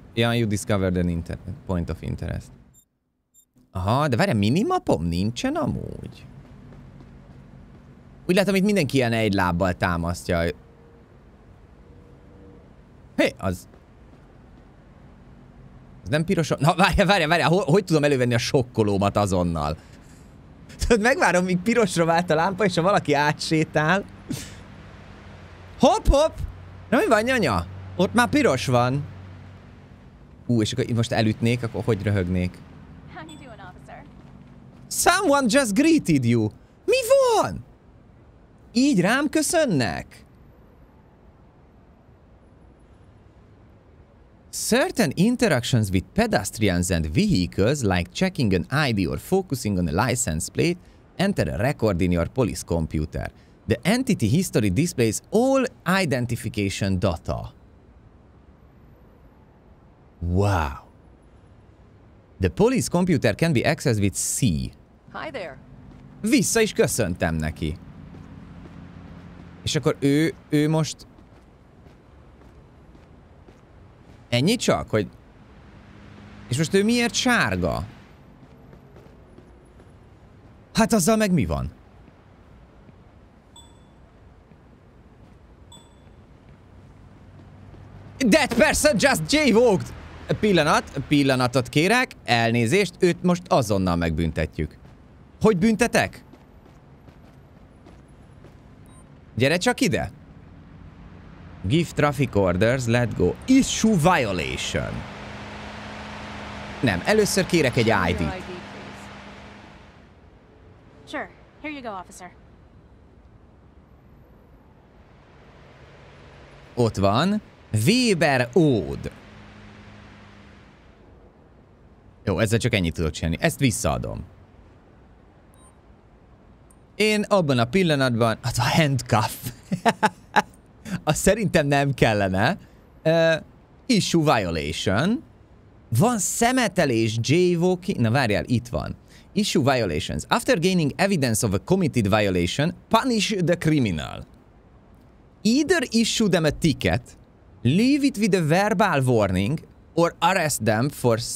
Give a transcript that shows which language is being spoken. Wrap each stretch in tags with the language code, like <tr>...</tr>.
<en>Yeah, you discovered an point of interest.</en> <hu>Aha, de várj, minimapom nincsen amúgy. Úgy látom, itt mindenki ilyen egy lábbal támasztja. Hé, az... Az nem piros... Na, várj, hogy tudom elővenni a sokkolómat azonnal? Tudod, megvárom, míg pirosra vált a lámpa, és ha valaki átsétál... Hopp! Na, mi van, nyanya? Ott már piros van. És akkor most elütnék, akkor hogy röhögnék?</hu> <en>Someone just greeted you!</en> <hu>Mi van? Így rám köszönnek?</hu> <en>Certain interactions with pedestrians and vehicles, like checking an ID or focusing on a license plate, enter a record in your police computer. The entity history displays all identification data. Wow. The police computer can be accessed with C. Hi there.</en> <hu>Vissza is köszöntem neki. És akkor ő most... Ennyi csak, hogy... És most ő miért sárga? Hát azzal meg mi van?</hu> <en>That person just jaywalked!</en> <hu>Pillanatot kérek, elnézést, őt most azonnal megbüntetjük. Hogy büntetek? Gyere csak ide!</hu> <en>Give traffic orders, let go. Issue violation.</en> <hu>Nem, először kérek egy ID-t.</hu> <en>Sure, here you go, officer.</en> <hu>Ott van. Weber Ode. Jó, ezzel csak ennyit tudok csinálni. Ezt visszaadom. Én abban a pillanatban... Az a handcuff. Az szerintem nem kellene.</hu> <en>Issue violation.</en> <hu>Van szemetelés, jaywalking... Na várjál, itt van.</hu> <en>Issue violations. After gaining evidence of a committed violation, punish the criminal. Either issue them a ticket, leave it with a verbal warning, or arrest them for...</en>